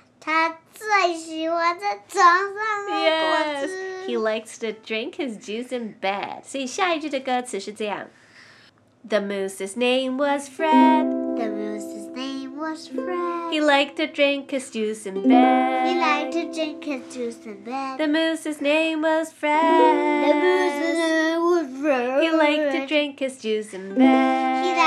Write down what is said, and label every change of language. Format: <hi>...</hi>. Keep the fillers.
<zh>他最喜欢在床上喝果汁。</zh> <en>Yes, he likes to drink his juice in bed。</en> <zh>所以下一句的歌词是这样：</zh> <en>The moose's name was Fred。 The moose's name was Fred。 He liked to drink his juice in bed。 He liked to drink his juice in bed。 The moose's name was Fred。 The moose's name was Fred。 He liked to drink his juice in bed。</en>